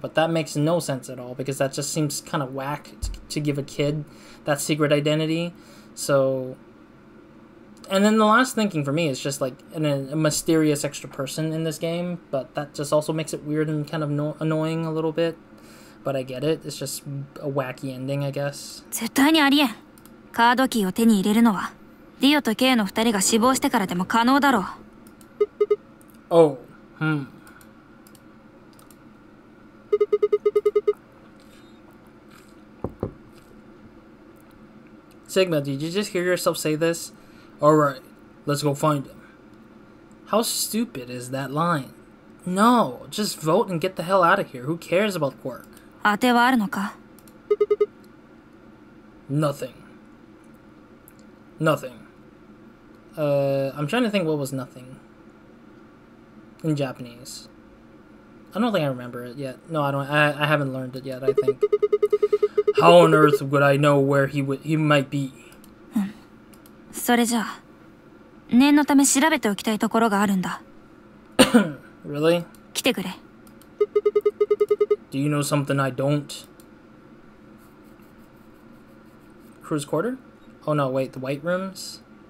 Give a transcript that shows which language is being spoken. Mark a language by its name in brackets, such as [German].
[English] But that makes no sense at all, because that just seems kind of whack to give a kid that secret identity. So, and then the last thinking for me is just like a mysterious extra person in this game, but that just also makes it weird and kind of annoying a little bit. But I get it, it's just a wacky ending, I guess. [Japanese] 絶対にありえん。カードキーを手に入れるのはディオとケイの2人が死亡してからでも可能だろう。 [English] Oh, hmm. Sigma, did you just hear yourself say this? Alright, let's go find him. How stupid is that line? No, just vote and get the hell out of here. Who cares about Quark? Nothing. I'm trying to think what was nothing in Japanese. I don't think I remember it yet. No, I don't. I haven't learned it yet, I think. How on earth would I know where he might be? [Japanese] それじゃあ、念のため調べておきたいところがあるんだ。 [English] Really? [Japanese] 来てくれ。 [English] Do you know something I don't? Cruise quarter? Oh no, wait, the white rooms?